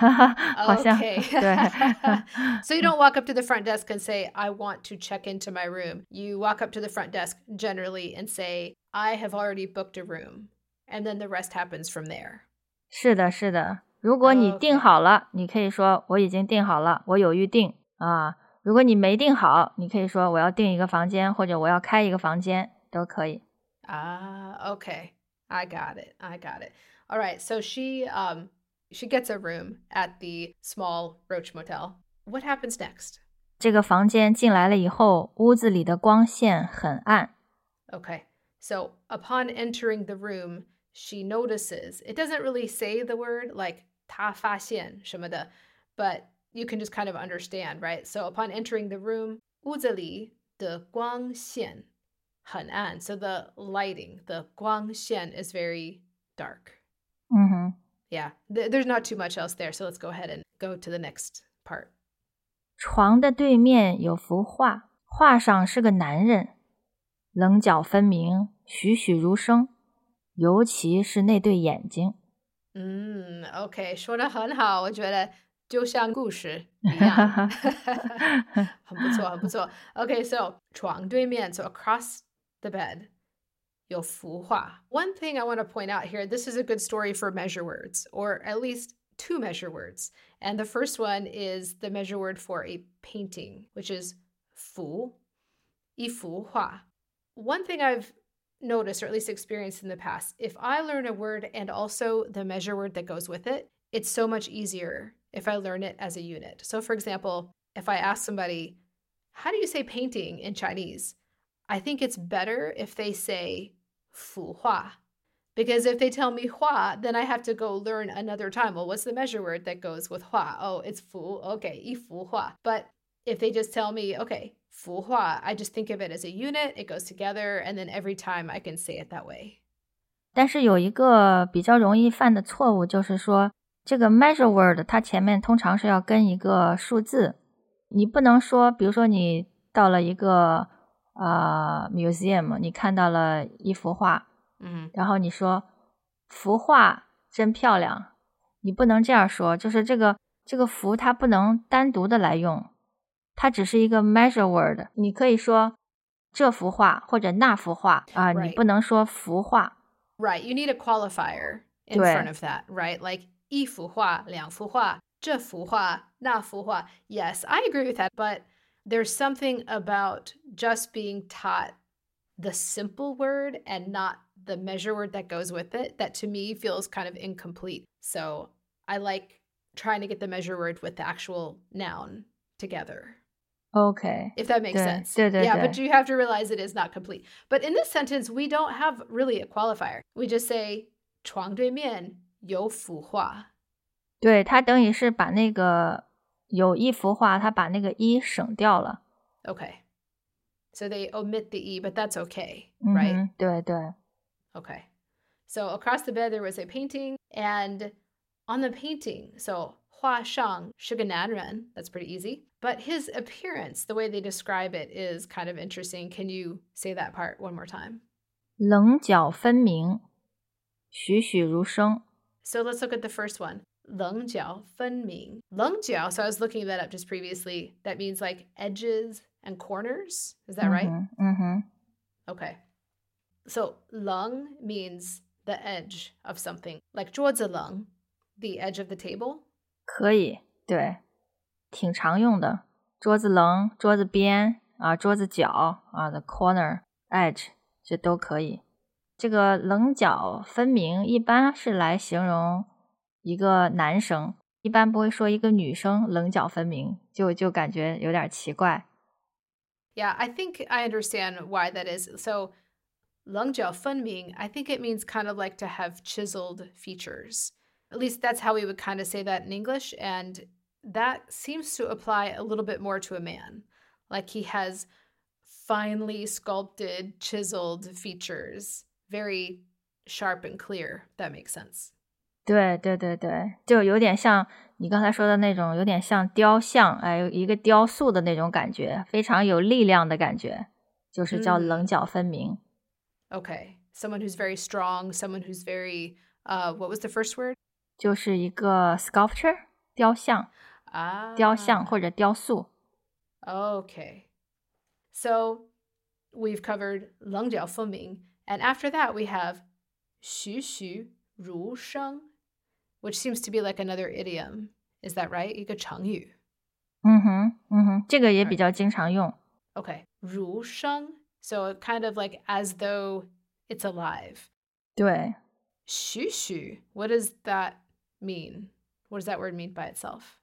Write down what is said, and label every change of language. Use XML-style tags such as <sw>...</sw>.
<zh>好像、</zh> <en>okay.</en> <zh>对。</zh> <en>So you don't walk up to the front desk and say, I want to check into my room. You walk up to the front desk generally and say, I have already booked a room. And then the rest happens from there.</en> <zh>是的是的。如果你订好了、</zh> <en>okay.</en> <zh>你可以说我已经订好了我有预订啊。如果你没订好你可以说我要订一个房间或者我要开一个房间都可以。</zh> <en>Okay, I got it. All right, so she gets a room at the small Roach Motel. What happens next?</en> <zh>这个房间进来了以后屋子里的光线很暗。</zh> <en>Okay, so upon entering the room,She notices, it doesn't really say the word, like,</en> <zh>她发现什么的,</zh> <en>but you can just kind of understand, right? So upon entering the room,</en> <zh>屋子里的光线很暗,</zh> <en>so the lighting, the 光线 is very dark. Mm-hmm. Yeah, there's not too much else there, so let's go ahead and go to the next part.</en> <zh>床的对面有幅画,画上是个男人,棱角分明,栩栩如生。尤其是那对眼睛。 OK, 说得很好,我觉得就像故事一样。很不错,很不错。</zh> <en>OK, so,</en> <zh>床对面,</zh> <en>so across the bed,</en> <zh>有幅画。</zh> <en>One thing I want to point out here, this is a good story for measure words, or at least two measure words. And the first one is the measure word for a painting, which is 幅, 一幅画。 One thing I've notice or at least experienced in the past, if I learn a word and also the measure word that goes with it, it's so much easier if I learn it as a unit. So for example, if I ask somebody, how do you say painting in Chinese? I think it's better if they say 幅画, because if they tell me 画, then I have to go learn another time. Well, what's the measure word that goes with 画? Oh, it's 幅, okay, 一幅画. But if they just tell me, okay,幅画, I just think of it as a unit, it goes together, and then every time I can say it that way.</en> <zh>但是有一个比较容易犯的错误就是说这个 measure word 它前面通常是要跟一个数字。你不能说比如说你到了一个museum, 你看到了一幅画、然后你说幅画真漂亮。你不能这样说就是这个幅它不能单独的来用。它只是一个 measure word, 你可以说这幅画或者那幅画、</zh> <en>right.</en> <zh>你不能说幅画。</zh> <en>Right, you need a qualifier in front of that, right?</en> <zh>Like 一幅画,两幅画,这幅画,那幅画。</zh> <en>Yes, I agree with that, but there's something about just being taught the simple word and not the measure word that goes with it that to me feels kind of incomplete. So I like trying to get the measure word with the actual noun. Together. Okay. If that makes sense.</en> <zh>对对对</zh> <en>yeah, but you have to realize it is not complete. But in this sentence, we don't have really a qualifier. We just say,</en> <zh>床对面有幅画。对，它等于是把那个有一幅画，它把那个一省掉了。</zh> <en>Okay. So they omit the e, but that's okay, right?</en> <zh>嗯，对对。</zh> <en>Okay. So across the bed there was a painting, and on the painting, so</en> <zh>画上是个男人,</zh> <en>that's pretty easy. But his appearance, the way they describe it, is kind of interesting. Can you say that part one more time?</en> <zh>棱角分明,栩栩如生。</zh> <en>So let's look at the first one.</en> <zh>棱角分明。</zh> <en>棱角, so I was looking that up just previously, that means like edges and corners, is that right? Mm-hmm. Okay. So 棱 means the edge of something, like 桌子棱, the edge of the table.</en> <zh>可以,对,挺常用的。桌子棱,桌子边,啊,桌子角,啊,</zh> <en>the corner, edge,</en> <zh>这都可以。这个棱角分明一般是来形容一个男生，一般不会说一个女生棱角分明，就感觉有点奇怪。</zh> <en>Yeah, I think I understand why that is. So, 棱角分明, I think it means kind of like to have chiseled features. At least that's how we would kind of say that in English. And that seems to apply a little bit more to a man. Like he has finely sculpted, chiseled features. Very sharp and clear. That makes sense.</en> <zh>对对对对，就有点像你刚才说的那种，有点像雕像，哎，一个雕塑的那种感觉，非常有力量的感觉，就是叫棱角分明。</zh> <en>Okay, someone who's very strong, someone who's very, what was the first word?</en> <zh>就是一个 sculpture, 雕像，雕像或者雕塑。</zh> <en>Okay, so we've covered 棱角分明, and after that we have 栩栩如生, which seems to be like another idiom. Is that right?</en> <zh>一个成语。嗯哼，这个也比较经常用。</zh> <en>Okay, 如生, so kind of like as though it's alive.</en> <zh>对。</zh> <en>栩栩, what does that mean? What does that word mean by itself?</en>